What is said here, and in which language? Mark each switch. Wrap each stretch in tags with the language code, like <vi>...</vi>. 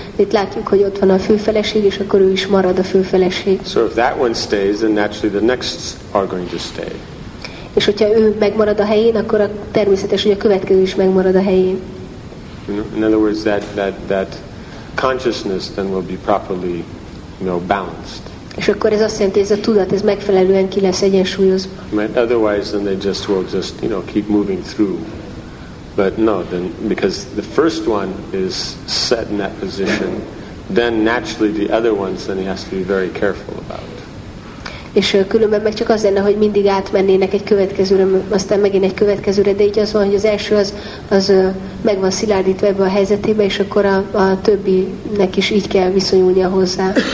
<hu>Itt látjuk, hogy ott van a főfeleség, és akkor ő is marad a főfeleség.</hu> <en>So if that one stays, then naturally the next are going to stay.</en> <hu>És hogyha ő megmarad a helyén, akkor a természetes, hogy a következő is megmarad a helyén.</hu> <en>In other words, that consciousness then will be properly, you know, balanced.</en> <hu>És akkor ez azt jelenti, ez a tudat, ez megfelelően ki lesz egyensúlyozva.</hu> <en>Right, otherwise, then they just will just, you know, keep moving through. But no, then, because the first one is set in that position, then naturally the other ones, then he has to be very careful about.</en> <hu>És különben meg csak az lenne, hogy mindig átmennének egy következőre, aztán megint egy következőre, de így az van, hogy az első az meg van szilárdítva ebbe a helyzetébe, és akkor a többinek is így kell viszonyulnia hozzá.</hu>